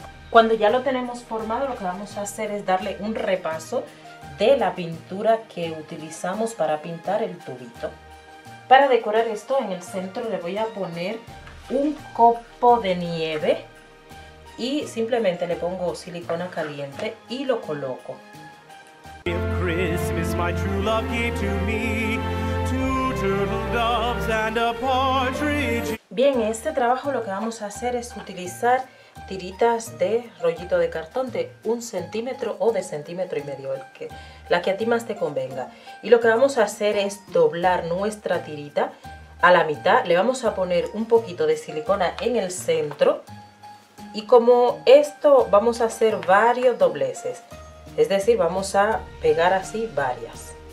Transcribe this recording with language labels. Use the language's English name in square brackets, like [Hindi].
[Spanish] Cuando ya lo tenemos formado, lo que vamos a hacer es darle un repaso de la pintura que utilizamos para pintar el tubito. Para decorar esto, en el centro le voy a poner un copo de nieve y simplemente le pongo silicona caliente y lo coloco. [English] If Christmas my true love gave to me, two turtle doves and a partridge. [Spanish] Bien, en este trabajo lo que vamos a hacer es utilizar tiritas de rollito de cartón de 1 centímetro o de 1.5 centímetros, la que a ti más te convenga. Y lo que vamos a hacer es doblar nuestra tirita a la mitad, le vamos a poner un poquito de silicona en el centro y como esto vamos a hacer varios dobleces, es decir, vamos a pegar así varias.